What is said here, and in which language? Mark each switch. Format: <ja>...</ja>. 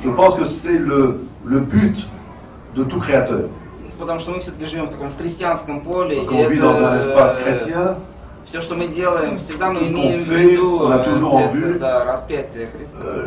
<fr>Je pense que c'est le but de tout créateur.</fr> <ru>Потому что мы все-таки живем в таком в христианском поле.</ru> <fr>Parce qu'on vit dans un espace chrétien.</fr> <ru>Все, что мы делаем, всегда мы имеем в виду распятие Христа.</ru>